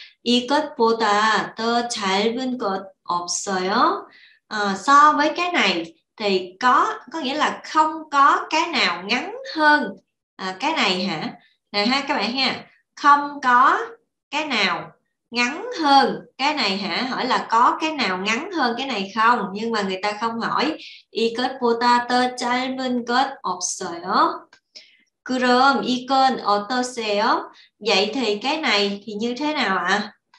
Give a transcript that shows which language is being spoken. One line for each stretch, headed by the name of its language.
Korean: 이것보다 더 짧은 것 없어요.
Vietnamese: So với cái này thì có nghĩa là không có cái nào ngắn hơn cái này hả? Nè ha các bạn ha, không có cái nào ngắn hơn cái này hả? Hỏi là có cái nào ngắn hơn cái này không? Nhưng mà người ta không hỏi.
Korean: 이것보다 더 짧은 것 없어요. 그럼 이건 어떠세요? 왜 이렇게 나이 이게 왜 나와?